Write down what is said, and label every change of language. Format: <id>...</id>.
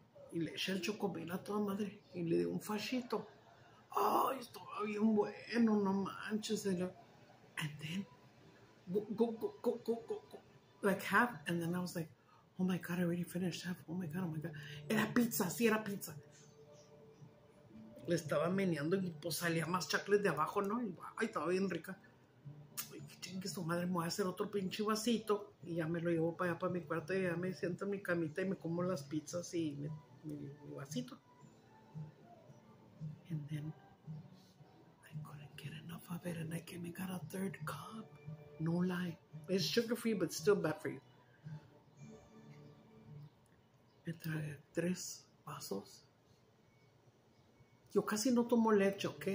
<es>Y le eché el chocomil a toda madre. Y le di un fachito. Ay, estaba bien bueno, no manches.</es> <en>And then, go, like half. And then I was like, oh my God, I already finished half. Oh my God, oh my God.</en> <es>Era pizza, sí, era pizza. Le estaba meneando y pues salía más chocolate de abajo, ¿no? Y, ay, estaba bien rica. Ay, qué chingue su madre, me voy a hacer otro pinche vasito. Y ya me lo llevo para allá, para mi cuarto. Y ya me siento en mi camita y me como las pizzas y mi vasito.</es> <en>And then I couldn't get enough of it. And I came and got a third cup. No lie. It's sugar free, but still bad for you.</en> <es>Me traje 3 vasos. Yo casi no tomo leche, okay?</es>